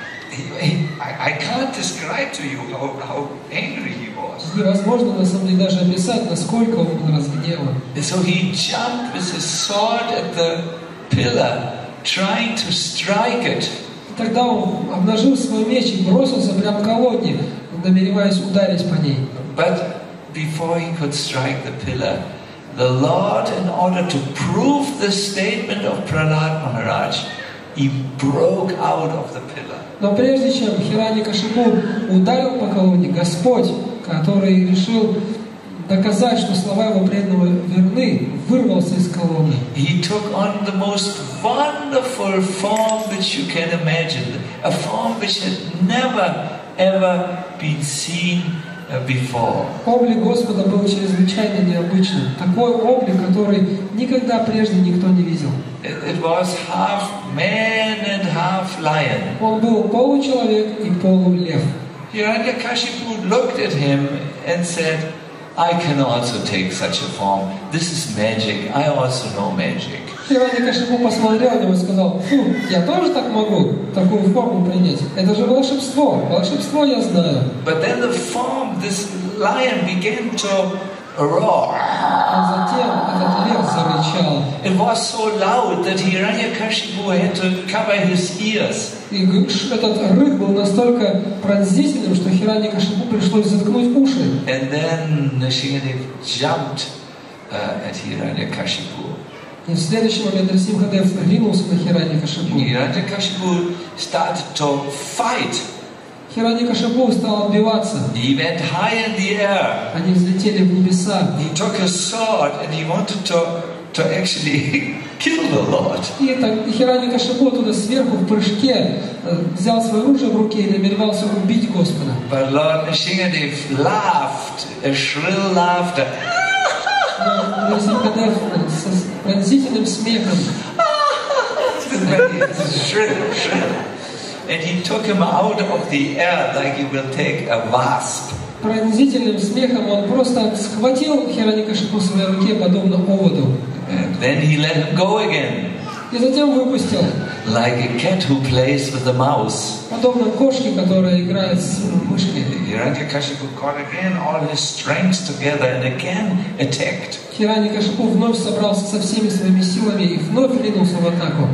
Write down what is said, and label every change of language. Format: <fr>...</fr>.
<en>I can't describe to you how angry he was.</en> <ru>Невозможно на самом деле даже описать, насколько он разгневан.</ru> <en>So he jumped with his sword at the pillar, trying to strike it.</en> <ru>Тогда он обнажил свой меч и бросился прямо к колонне, намереваясь ударить по ней.</ru> <en>But before he could strike the pillar, the Lord, in order to prove the statement of Prahlad Maharaj, he broke out of the pillar.</en> <ru>Но прежде чем Хиранякашипу ударил по колонне, Господь, который решил доказать, что слова его преданного верны, вырвался из колонны.</ru> <en>He took on the most wonderful form which you can imagine, a form which had never ever been seen before.</en> <ru>Облик Господа был чрезвычайно необычным. Такой облик, который никогда прежде никто не видел.</ru> <en>It was half man and half lion.</en> <ru>Он был получеловек и полулев.</ru> <en>Hiranyakashipu looked at him and said, "I can also take such a form. This is magic. I also know magic."</en> <ru>Hiranyakashipu посмотрел на него и сказал: "Фу, я тоже так могу такую форму принять. Это же волшебство. Волшебство я знаю."</ru> <en>But then the form, this lion, began to roar.</en> <ru>А затем этот лев зарычал.</ru> <en>It was so loud that Hiranyakashipu had to cover his ears.</en> <ru>И этот рык был настолько пронзительным, что Hiranyakashipu пришлось заткнуть уши.</ru> <en>And then Нарасимхадев jumped at Hiranyakashipu.</en> <ru>И в следующий момент Нарасимхадев ринулся на Hiranyakashipu.</ru> <en>Hiranyakashipu started to fight.</en> <ru>Hiranyakashipu стал отбиваться.</ru> <en>He went high in the air.</en> <ru>Они взлетели в небеса.</ru> <en>He took a sword and he wanted to actually kill the Lord.</en> <ru>И так Hiranyakashipu туда сверху в прыжке взял свое оружие в руке и намеревался убить Господа.</ru> <en>But Lord Nrsimhadev laughed a shrill laughter.</en> <ru>Нрсимхадев с пронзительным смехом.</ru> <en>Shrill. And he took him out of the air like you will take a wasp.</en> <ru>пронзительным смехом он просто схватил Хираньякашипу в своей руке, подобно оводу.</ru> <en>And then he let him go again.</en> <ru>И затем выпустил.</ru> <en>Like a cat who plays with a mouse.</en> <ru>Подобно кошке, которая играет с мышкой.</ru> <en>Хираньякашипу caught again all his strength together and again attacked.</en> <ru>Хираньякашипу вновь собрался со всеми своими силами и вновь ринулся в атаку.</ru>